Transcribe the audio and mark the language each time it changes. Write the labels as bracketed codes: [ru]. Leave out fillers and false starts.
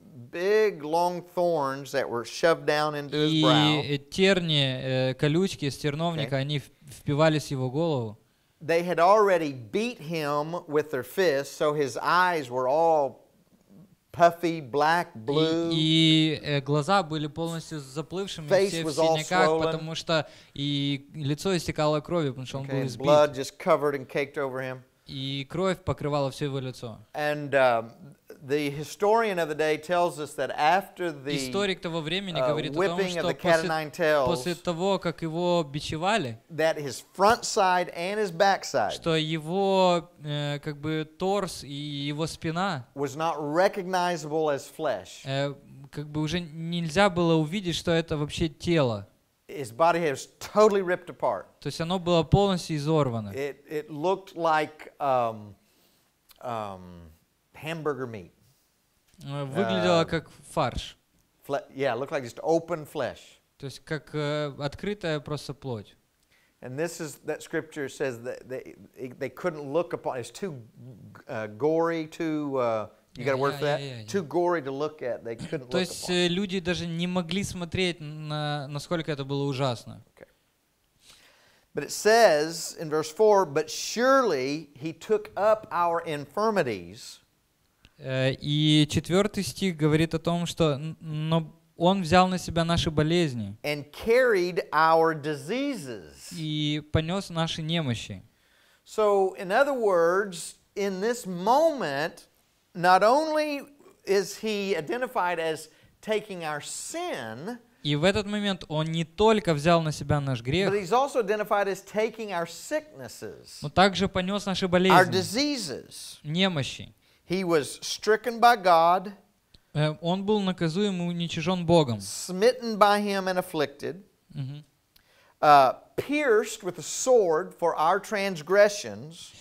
[en] Big, long thorns that were shoved down into his brow. [ru] И терни, колючки с терновника, они впивались в его голову. [en] They had already beat him with their fists, so his eyes were all puffy, black, blue. [ru] И глаза были полностью заплывшими, все в синяках, потому что и лицо истекало кровью, потому что он был избит. [en] Blood just covered and caked over him. [ru] И кровь покрывала все его лицо. [en] And the historian of the day tells us that after the [ru] историк того времени говорит о том, что после того, как его бичевали, [en] that his front side and his backside, [ru] что его как бы торс и его спина [en] was not recognizable as flesh, [ru] как бы уже нельзя было увидеть, что это вообще тело. [en] His body was totally ripped apart. [ru] То есть оно было полностью изорвано. [en] It looked like hamburger meat. [ru] Выглядело как фарш. [en] Yeah, looked like just open flesh. [ru] То есть как открытая просто плоть. [en] And this is that scripture says that they couldn't look upon. It's too gory, too. You got a word for that? Too gory to look at. They couldn't look upon. [ru] То есть люди даже не могли смотреть на насколько это было ужасно. [en] Okay. But it says in verse 4, but surely he took up our infirmities. [ru] И четвертый стих говорит о том, что но он взял на себя наши болезни [en] and carried our diseases. [ru] И понес наши немощи. [en] So, in other words, in this moment, not only is he identified as taking our sin, [ru] и в этот момент он не только взял на себя наш грех, [en] but he's also identified as taking our sicknesses, [ru] но также понес наши болезни, [en] our diseases, [ru] немощи. [en] He was stricken by God. [ru] Он был наказуем и уничижен Богом. [en] Smitten by him and afflicted. Pierced with a sword for our transgressions.